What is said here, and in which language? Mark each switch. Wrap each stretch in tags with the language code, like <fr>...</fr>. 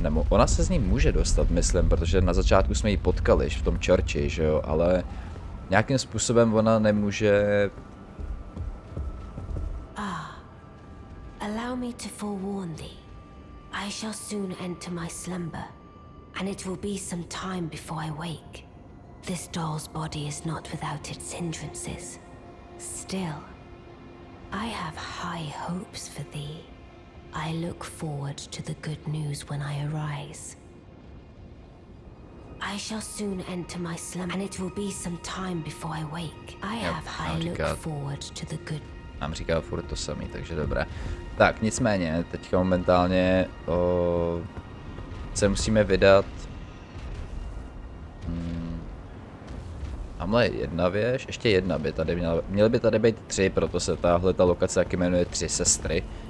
<cs>ona se z ní může dostat, myslím, protože na začátku jsme ji potkali v tom Churchi, že jo, ale nějakým způsobem ona nemůže. Ah.</cs> <en>Allow me to forewarn thee. I shall soon enter my slumber, and it will be some time before I wake. This doll's body is not without its hindrances. Still, I have high hopes for thee. I look forward to the good news when I arise. I shall soon enter my slumber, and it will be some time before I wake. I have high look forward to the good.</en> <cs>Nám říká furt to samý, takže dobré. Tak nicméně, teďka momentálně se musíme vydat. Tamhle je jedna věž, ještě jedna by tady měla, měly by tady být tři, proto se tahle ta lokace taky jmenuje Tři sestry.</cs>